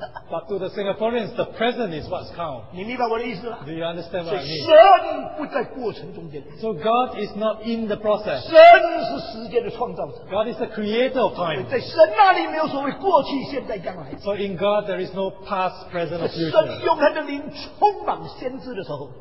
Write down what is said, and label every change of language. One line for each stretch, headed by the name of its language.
English: But to the Singaporeans, the present is what's count.
Chinese: 你明白我的意思吗?
English: Do you understand what I mean?
Chinese: 神不在过程中间。
English: So God is not in the process.
Chinese: 神是时间的创造者。
English: God is the creator of time.
Chinese: 在神那里没有所谓过去、现在、将来。
English: So in God, there is no past, present, or future.
Chinese: 神永恒的灵充满先知的时候,